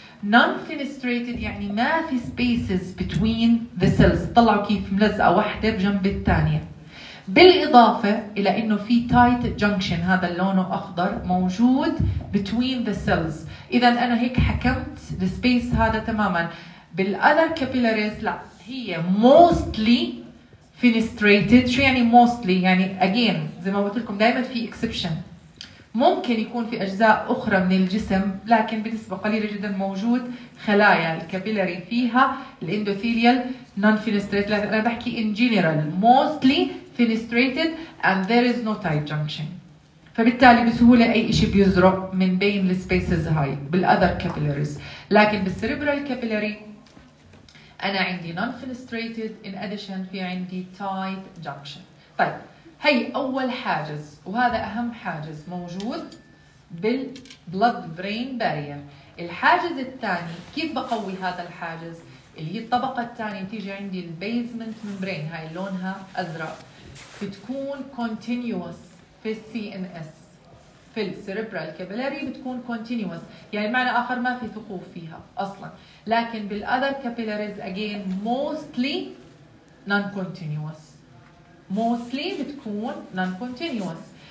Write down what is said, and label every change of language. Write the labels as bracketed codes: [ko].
[ar] non-fenestrated يعني ما في [en] spaces between the cells، [ar] طلعوا كيف ملزقة واحدة بجنب الثانية، بالإضافة إلى إنه في tight junction هذا اللونه أخضر موجود between the cells. إذا أنا هيك حكمت [en] the space [ar] هذا تماماً. بالother capillaries لا، هي [en] mostly fenestrated. [ar] شو يعني mostly؟ يعني again زي ما قلت لكم دائماً في exception، ممكن يكون في أجزاء أخرى من الجسم لكن بنسبة قليلة جداً موجود خلايا الكابيلاري فيها الإندوثيليال non-fenestrated. لكن أنا بحكي [en] in general mostly fenestrated and there is no tight junction، [ar] فبالتالي بسهولة أي إشي بيزرق من بين [en] the spaces [ar] هاي بالother capillaries. لكن بالcerebral capillary أنا عندي [en] non-fenestrated in addition [ar] في عندي tight junction. طيب هي أول حاجز وهذا أهم حاجز موجود بال blood brain barrier. الحاجز الثاني كيف بقوي هذا الحاجز اللي هي الطبقة الثانية، تيجي عندي basement membrane هاي لونها أزرق، بتكون continuous في CNS في السيريبرال كابيلاري، بتكون continuous يعني معنى آخر ما في ثقوب فيها أصلا، لكن بالأذر كابيلاريز [en] again mostly non-continuous، [ar] mostly بتكون non-continuous.